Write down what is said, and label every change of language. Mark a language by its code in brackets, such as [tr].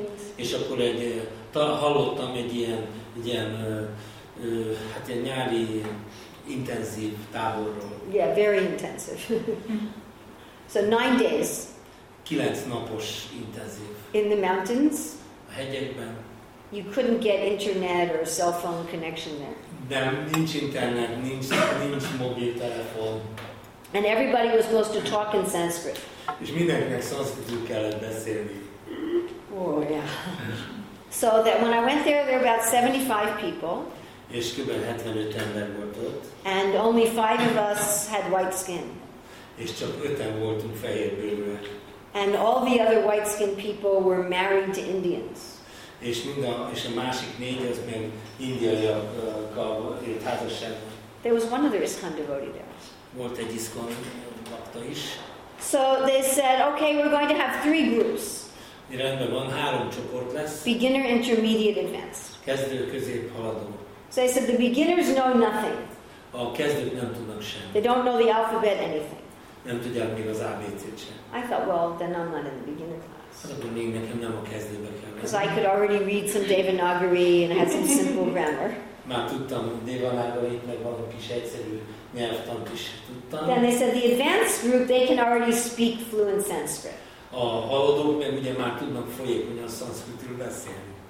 [en] means? And then I heard about a [hu] nyári intensive táborról. [en] Yeah, very intensive. So 9 days. [hu] 9 napos intenzív. [en] In the mountains. [hu] A hegyekben. [en] You couldn't get internet or cell phone connection there. [hu] Nem, nincs internet, nincs mobiltelefon. [en] And everybody was supposed to talk in Sanskrit. [hu] És mindenkinek szanszkritul kellett beszélni. [en] Oh, yeah. So that when I went there, there were about 75 people. [hu] És kb. 75 ember volt ott. [en] And only 5 of us had white skin. [hu] És csak 5-en voltunk fehérbőrűek. [en] And all the other white skin people were married to Indians. [hu] És a másik 4 az meg indiaiakkal élt házasságban. [en] There was one other Iskhan devotee there. [hu] Volt egy Iskhan bhakta is. [en] So they said, okay, we're going to have 3 groups. [hu] Rendben van, 3 csoport lesz. [en] Beginner, intermediate, advanced. [hu] Kezdő, közép, haladó. [en] So I said, the beginners know nothing. [hu] A kezdők nem tudnak semmit. [en] They don't know the alphabet, anything. [hu] Nem tudják még az ABC-t sem. [en] I thought, well, then I'm not in the beginner class. [hu] Hát akkor még nekem nem a kezdőbe kell. [en] Because I could already read some Devanagari and had some simple grammar. [hu] Már tudtam Devanagari, meg valami kis egyszerű nyelvtant is tudtam. [en] Then they said, the advanced group, they can already speak fluent Sanskrit. [hu] A haladók meg ugye már tudnak folyékonyan szanszkritről beszélni.